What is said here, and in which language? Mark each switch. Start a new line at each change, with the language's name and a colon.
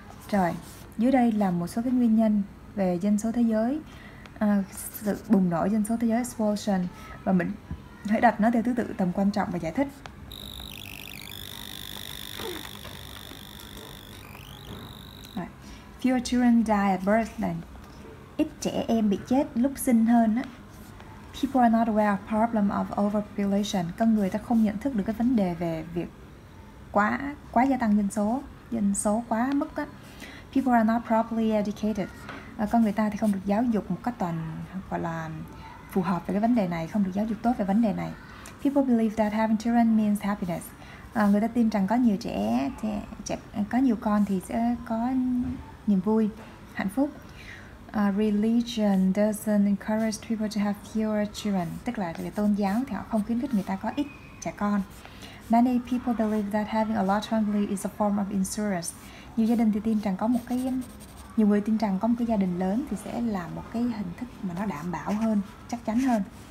Vietnamese: Rồi, dưới đây là một số cái nguyên nhân về dân số thế giới, sự bùng nổ dân số thế giới, explosion, và mình hãy đặt nó theo thứ tự tầm quan trọng và giải thích.
English: fewer children die at birth than
Vietnamese: ít trẻ em bị chết lúc sinh hơn á.
English: People are not aware of problem of overpopulation.
Vietnamese: Con người ta không nhận thức được cái vấn đề về việc quá gia tăng dân số quá mức á.
English: People are not properly educated.
Vietnamese: Con người ta thì không được giáo dục một cách toàn gọi là phù hợp về cái vấn đề này, không được giáo dục tốt về vấn đề này.
English: People believe that having children means happiness.
Vietnamese: Người ta tin rằng có nhiều trẻ có nhiều con thì sẽ có niềm vui, hạnh phúc.
English: Religion doesn't encourage people to have fewer children.
Vietnamese: Tức là cái tôn giáo thì họ không khuyến khích người ta có ít trẻ con.
English: Many people believe that having a large family is a form of insurance.
Vietnamese: Nhiều gia đình thì tin rằng có một cái nhiều người tin rằng có một cái gia đình lớn thì sẽ là một cái hình thức mà nó đảm bảo hơn, chắc chắn hơn.